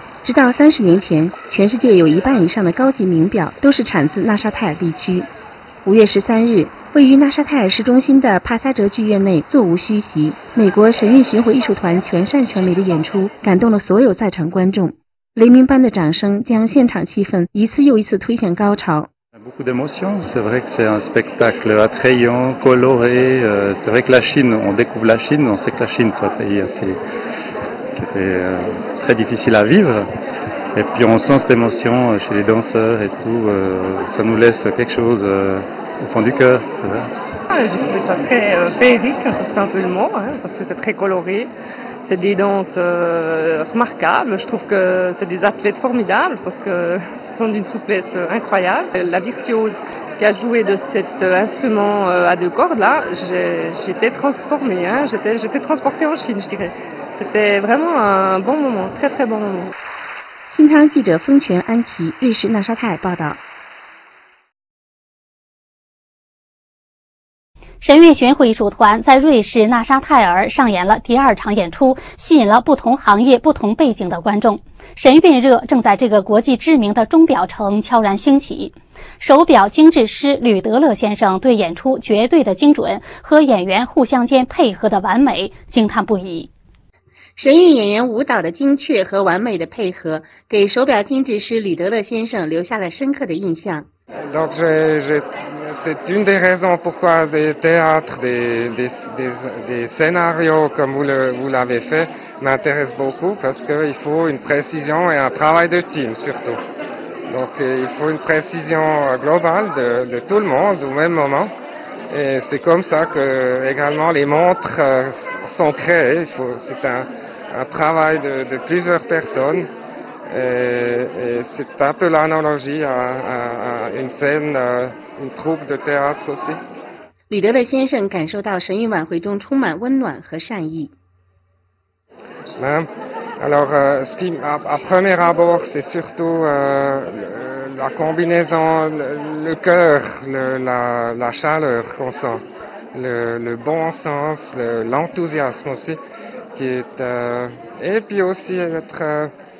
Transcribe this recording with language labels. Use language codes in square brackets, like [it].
[zh] 直到30年前，全世界有一半以上的高级名表都是产自纳沙泰尔地区。 5月13日，位于纳沙泰尔市中心的帕萨哲剧院内座无虚席，美国神韵巡回艺术团全善全美的演出感动了所有在场观众，雷鸣般的掌声将现场气氛一次又一次推向高潮。 [fr] Beaucoup d'émotions, c'est vrai que c'est un spectacle attrayant, coloré. C'est vrai que la Chine, on découvre la Chine, on sait que la Chine, c'est un pays assez, qui était très difficile à vivre. Et puis on sent cette émotion chez les danseurs et tout, ça nous laisse quelque chose au fond du cœur, c'est vrai. J'ai trouvé ça très féerique, ça c'est un peu le mot, parce que c'est très coloré. C'est des danses remarquables, je trouve que c'est des athlètes formidables, parce que... d'une souplesse incroyable. La virtuose qui a joué de cet instrument à deux cordes, là, j'étais transformée, j'étais transportée en Chine, je dirais. C'était vraiment un bon moment, très très bon moment. [zh] 新唐记者风泉安琪，瑞士纳沙泰报道。神韵巡回艺术团在瑞士纳沙泰尔上演了第二场演出，吸引了不同行业、不同背景的观众。神韵热正在这个国际知名的钟表城悄然兴起。手表精致师吕德勒先生对演出绝对的精准和演员互相间配合的完美惊叹不已。神韵演员舞蹈的精确和完美的配合，给手表精致师吕德勒先生留下了深刻的印象。 [fr] Donc, c'est une des raisons pourquoi des théâtres, des scénarios comme vous l'avez fait m'intéressent beaucoup parce qu'il faut une précision et un travail de team surtout. Donc, il faut une précision globale de tout le monde au même moment. Et c'est comme ça que également les montres sont créées. C'est un travail de plusieurs personnes. Et c'est un peu l'analogie à une scène, une troupe de théâtre aussi. [zh] 吕德勒先生感受到神韵晚会中充满温暖和善意。 [fr] Alors, ce qui, à premier abord, c'est surtout la combinaison, le cœur, la chaleur qu'on sent, le bon sens, l'enthousiasme aussi, qui est, et puis aussi être.